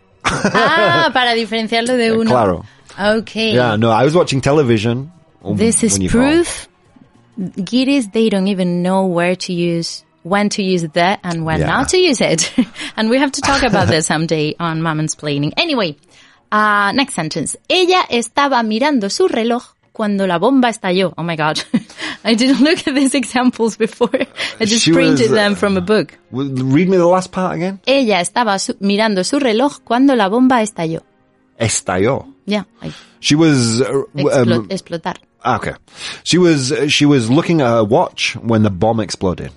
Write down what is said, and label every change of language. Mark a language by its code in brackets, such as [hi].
[es] Ah, para diferenciarlo de uno. Claro. Okay. [en] Yeah, no, I was watching television. This is proof. Giddies, they don't even know where to use, when to use the and when not to use it. And we have to talk about this someday on Mamensplaining. Anyway, next sentence. [es] Ella estaba mirando su reloj cuando la bomba estalló. [en] Oh my God. I didn't look at these examples before. I just printed them from a book. Read me the last part again. [es] Ella estaba mirando su reloj cuando la bomba estalló. Estalló. Yeah. [en] She was... [es] explotar. Okay. [en] She was looking at her watch when the bomb exploded.